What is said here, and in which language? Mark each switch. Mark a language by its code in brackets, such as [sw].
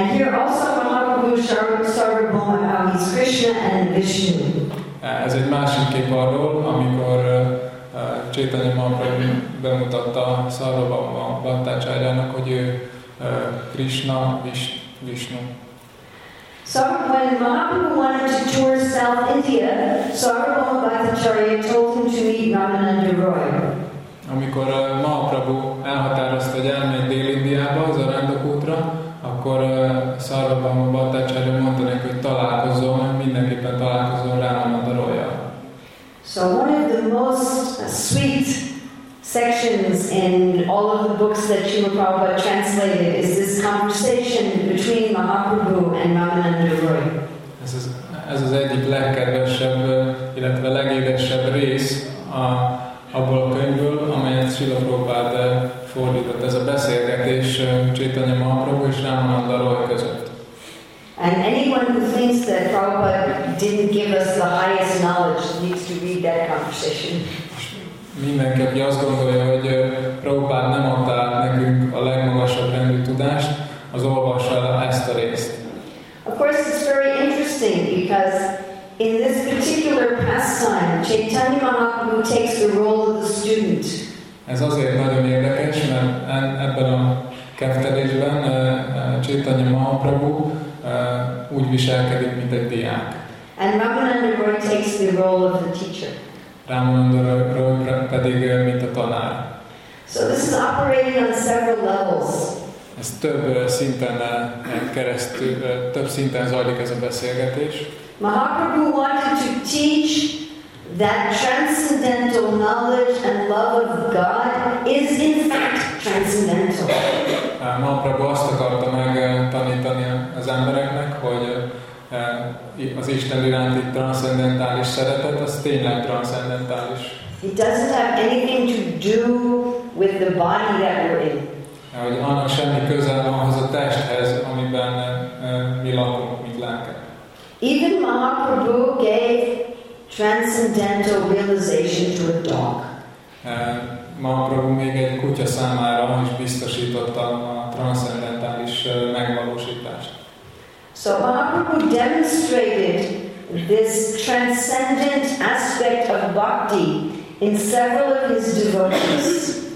[en] And here also Mahaprabhu Sarvabhauma, how he's Krishna and Vishnu. [hu] Ez egy másik kép arról, amikor Chaitanya Mahaprabhu bemutatta Sarvabhauma Bhattacharyának, hogy ő Krishna Vishnu. [en] So when Mahaprabhu wanted to tour South India, Sarvabhauma Bhattacharya told him to meet Ramananda Roy. [hu] Amikor Mahaprabhu elhatározta, hogy elmegy Dél-Indiába, az Arándok útra, akkor Sarvabhauma Bhattacharya mondta neki, hogy találkozom, mindenképpen találkozom Ramananda Royjal. [en] So one of the most sweet sections in all of the books that Srila Prabhupada translated is this conversation between Mahaprabhu and Ramananda Roy. [hu] Ez az egyik legkedvesebb, illetve legédesebb rész abból a könyvből, amelyet Srila Prabhupada fordított. Ez a beszélgetés Chaitanya Mahaprabhu és Ramananda Roy között. [en] And anyone who thinks that Prabhupada didn't give us the highest knowledge needs to read that conversation. [hu] Mindenki, aki azt gondolja, hogy Prabhupád nem adta át nekünk a legmagasabb rendű tudást, az olvassa ezt a részt. [en] Of course, it's very interesting because in this particular pastime, Chaitanya Mahaprabhu takes the role of the student. [hu] Ez azért nagyon érdekes, mert ebben a keftelésben Chaitanya Mahaprabhu úgy viselkedik, mint egy diák. [en] And Ramananda Roy takes the role of the teacher. [hu] Ramananda Roy pedig mint a tanár. [en] So this is operating on several levels. [hu] Ez több szinten keresztül, több szinten zajlik ez a beszélgetés. [en] Mahaprabhu wanted to teach that transcendental knowledge and love of God is in fact transcendental. [hu] Mahaprabhu azt akarta megtanítani az embereknek, hogy az Isten iránti transzendentális szeretet, az tényleg transzendentális. [en] It doesn't have anything to do with the body that we're in. [hu] Hogy annak semmi köze van az a testhez, amiben mi lakunk, mint lelket. [en] Even Mahaprabhu gave transcendental realization to a dog. [hu] Mahaprabhu még egy kutya számára is biztosította a transzendentális megvalósítást. [en] So Mahaprabhu demonstrated this transcendent aspect of bhakti in several of his devotees.